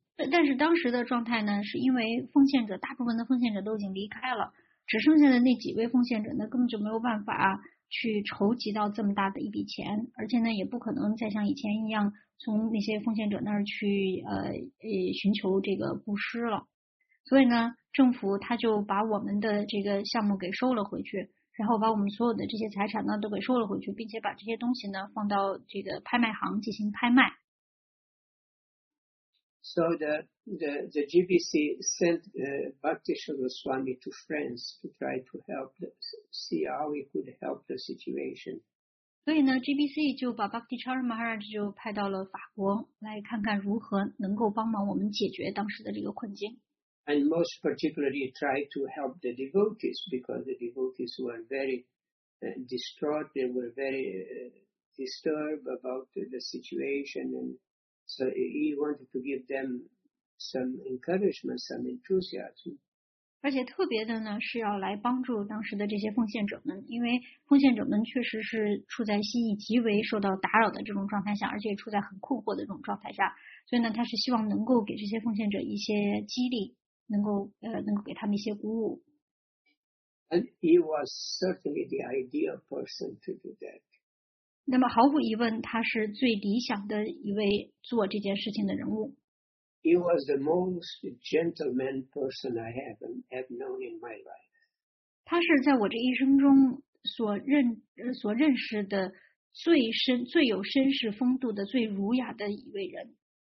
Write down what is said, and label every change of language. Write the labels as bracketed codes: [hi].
[zh] 但是当时的状态呢，是因为奉献者大部分的奉献者都已经离开了，只剩下的那几位奉献者呢，根本就没有办法去筹集到这么大的一笔钱，而且呢，也不可能再像以前一样从那些奉献者那儿去寻求这个布施了。所以呢，政府他就把我们的这个项目给收了回去，然后把我们所有的这些财产呢都给收了回去，并且把这些东西呢放到这个拍卖行进行拍卖。 [en] So the GBC sent Bhaktisudha Swami to France to try to help see how we could help the situation. [zh] 所以呢 ，GBC 就把 Bhaktisudha Maharaj 就派到了法国，来看看如何能够帮忙我们解决当时的这个困境。 [en] And most particularly try to help the devotees because the devotees were very distraught, they were very disturbed about the situation. And so he wanted to give them some encouragement, some enthusiasm. [zh] 而且特别的呢是要来帮助当时的这些奉献者们，因为奉献者们确实是处在心意极为受到打扰的这种状态下，而且处在很困惑的这种状态下，所以呢他是希望能够给这些奉献者一些激励。能够给他们一些鼓舞。 [en] And he was certainly the ideal person to do that. [zh] 那么毫无疑问，他是最理想的一位做这件事情的人物。 [en] He was the most gentleman person I have known in my life. [zh] 他是在我这一生中所认识的最有绅士风度的最儒雅的一位人。